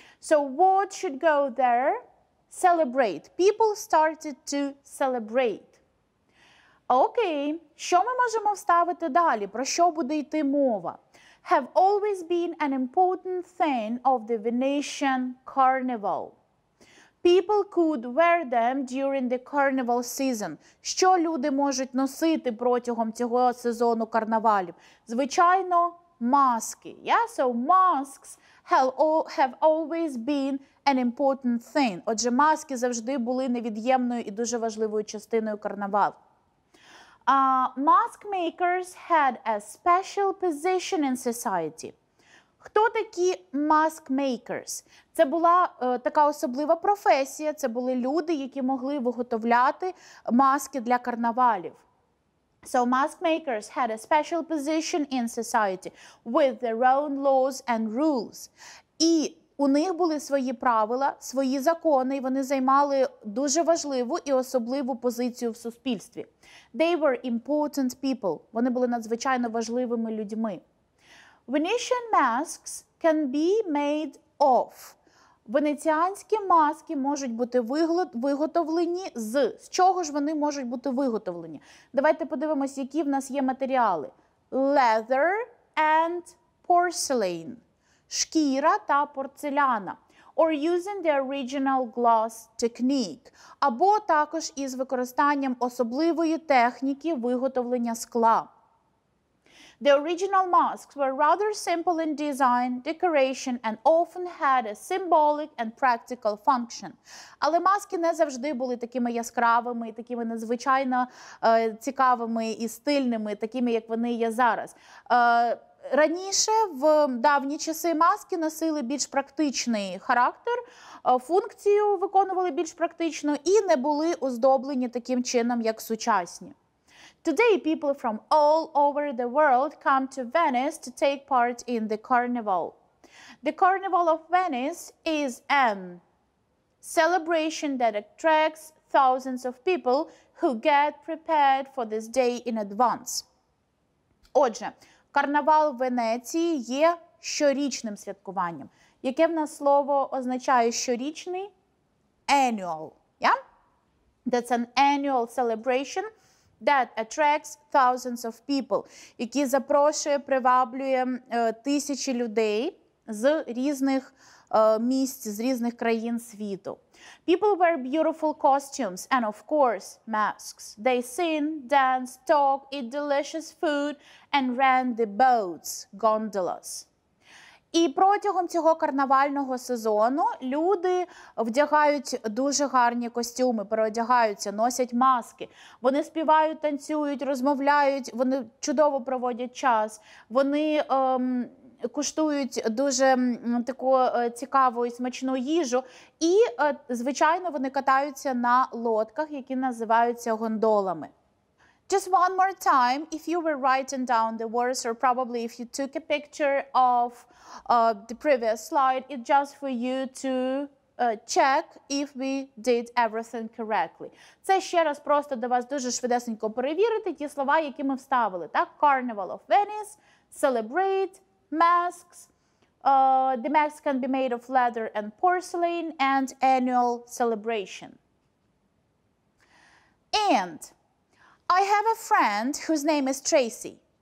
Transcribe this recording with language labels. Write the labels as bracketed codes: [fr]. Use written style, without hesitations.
[en] So what should go there? Celebrate. People started to celebrate. [uk] Окей. Що ми можемо вставити далі? Про що буде йти мова? [en] Have always been an important thing of the Venetian carnival. People could wear them during the carnival season. [uk] Що люди можуть носити протягом цього сезону карнавалів? Звичайно, маски. [en] Yeah? So masks have always been an important thing. [uk] Отже, маски завжди були невід'ємною і дуже важливою частиною карнавалу. [en] Mask makers had a special position in society. [uk] Хто такі mask makers? Це була така особлива професія, це були люди, які могли виготовляти маски для карнавалів. [en] So mask makers had a special position in society with their own laws and rules. [uk] І у них були свої правила, свої закони, і вони займали дуже важливу і особливу позицію в суспільстві. [en] They were important people. [uk] Вони були надзвичайно важливими людьми. [en] Venetian masks can be made of. [uk] Венеціанські маски можуть бути виготовлені з. З чого ж вони можуть бути виготовлені? Давайте подивимось, які в нас є матеріали. [en] Leather and porcelain. [uk] Шкіра та порцеляна. [en] Or using the original glass technique. [uk] Або також із використанням особливої техніки виготовлення скла. [en] The original masks were rather simple in design, decoration, and often had a symbolic and practical function. [uk] Але маски не завжди були такими яскравими, такими надзвичайно цікавими і стильними, такими, як вони є зараз. Раніше, в давні часи, маски носили більш практичний характер, функцію виконували більш практично і не були оздоблені таким чином, як сучасні. [en] Today people from all over the world come to Venice to take part in the carnival. The carnival of Venice is a celebration that attracts thousands of people who get prepared for this day in advance. [uk] Отже, карнавал Венеції є щорічним святкуванням. Яке в нас слово означає щорічний? [en] Annual. Yeah? That's an annual celebration that attracts thousands of people, [uk] які запрошує, приваблює тисячі людей з різних місць, з різних країн світу. [en] People wear beautiful costumes and, of course, masks. They sing, dance, talk, eat delicious food and rent the boats, gondolas. [uk] І протягом цього карнавального сезону люди вдягають дуже гарні костюми, переодягаються, носять маски. Вони співають, танцюють, розмовляють, вони чудово проводять час. Вони куштують дуже таку цікаву і смачну їжу. І, звичайно, вони катаються на лодках, які називаються гондолами. [en] Just one more time, if you were writing down the words or probably if you took a picture of the previous slide, it's just for you to check if we did everything correctly. [uk] Це ще раз просто до вас дуже швидесенько перевірити ті слова, які ми вставили. Так? [en] Carnival of Venice, celebrate, masks, the masks can be made of leather and porcelain, and annual celebration. And I have a friend whose name is Tracy.